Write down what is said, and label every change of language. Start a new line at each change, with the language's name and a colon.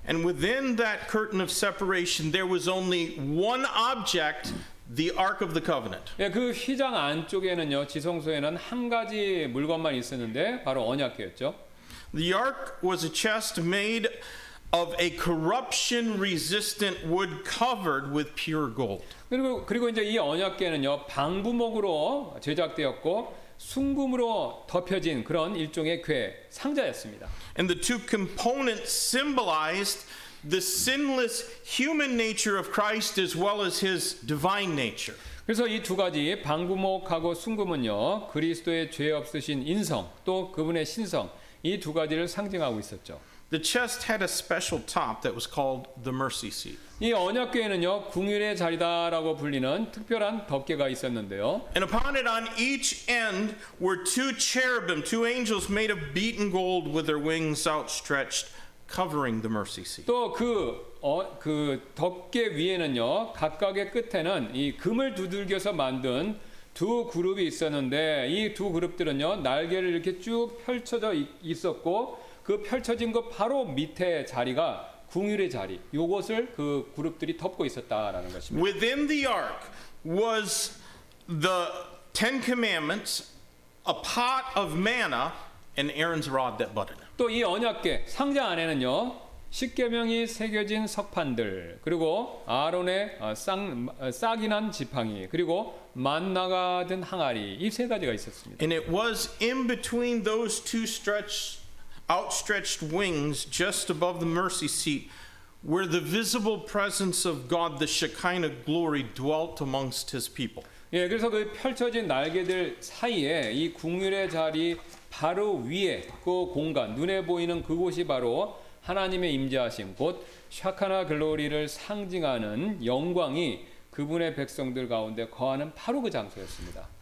English: And within that curtain of separation, there was only one object, the Ark of the Covenant.
Korean: 예, 그 휘장 안쪽에는요, 지성소에는 한 가지 물건만 있었는데, 바로 언약궤였죠.
English: The Ark was a chest made of a corruption resistant wood covered with pure gold.
Korean: 그리고 이제 이 언약궤는요, 방부목으로 제작되었고 순금으로 덮여진 그런 일종의 궤 상자였습니다.
English: And the two components symbolized the sinless human nature of Christ as well as his divine nature.
Korean: 그래서 이 두 가지 방부목하고 순금은요, 그리스도의 죄 없으신 인성 또 그분의 신성 이 두 가지를 상징하고 있었죠.
English: The chest had a special top that was called the mercy seat.
Korean: 이 언약궤에는요, 궁휼의 자리다라고 불리는 특별한 덮개가 있었는데요.
English: And upon it on each end were two cherubim, two angels made of beaten gold with their wings outstretched covering the mercy seat.
Korean: 또 그 덮개 위에는요, 각각의 끝에는 이 금을 두들겨서 만든 두 그룹이 있었는데 이 두 그룹들은요, 날개를 이렇게 쭉 펼쳐져 있었고 그 펼쳐진 것 바로 밑에 자리가 궁휼의 자리. 요것을 그 그룹들이 덮고 있었다라는 것입니다.
English: Within the ark was the Ten Commandments, a pot of manna, and Aaron's rod that budded.
Korean: 또 이 언약궤 상자 안에는요, 십계명이 새겨진 석판들, 그리고 아론의 싹이 난 지팡이, 그리고 만나가 든 항아리 이 세 가지가 있었습니다.
English: And it was in between those two stretches. Outstretched wings just above the mercy seat where the visible presence of God the Shekinah glory dwelt amongst his people.
Korean: 예, 그래서 그 펼쳐진 날개들 사이에 이 궁휼의 자리 바로 위에 그 공간 눈에 보이는 그곳이 바로 하나님의 임재하심 곧 샤카나 글로리를 상징하는 영광이 그분의 백성들 가운데 거하는 바로 그 장소였습니다.